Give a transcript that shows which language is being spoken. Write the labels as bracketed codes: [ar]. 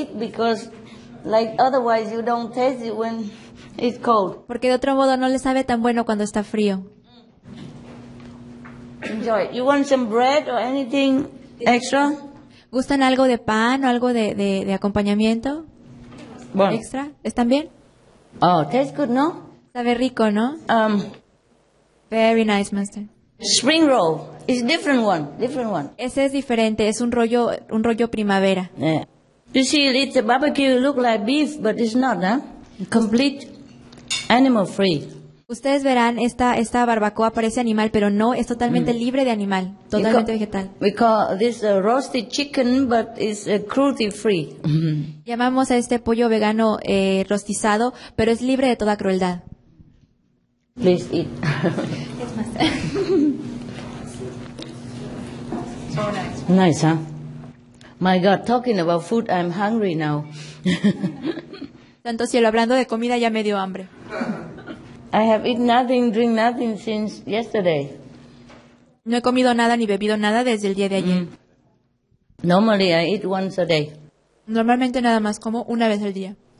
[en] eat because like otherwise you don't taste it when... It's cold. [es] Porque de otro modo no le sabe tan bueno cuando está frío. [en] Enjoy. You want some bread or anything extra? [es] ¿Gustan algo de pan o algo de acompañamiento? Bueno. ¿Extra? ¿Están bien? [en] Oh, tastes good, ¿no? [es] Sabe rico, ¿no? [en] Very nice, master. Spring roll. It's a different one. [es] Ese es diferente, es un rollo primavera. [en] Yeah. You see, it's a barbecue, it looks like beef, but it's not, huh? Complete animal free. [es] Ustedes verán esta barbacoa parece animal, pero no, es totalmente libre de animal, totalmente vegetal. [en] We call this a roasted chicken, but it's cruelty free. [es] Llamamos a este pollo vegano rostizado, pero es libre de toda crueldad. [en] Please eat. So nice. Nice, huh? My God, talking about food, I'm hungry now. [es] Tanto cielo, hablando de comida ya me dio hambre. [en] I have eaten nothing, drink nothing since yesterday. [es] No he comido nada ni bebido nada desde el día de ayer. [en] Normally I eat once a day. [es] Normalmente nada más como una vez al día.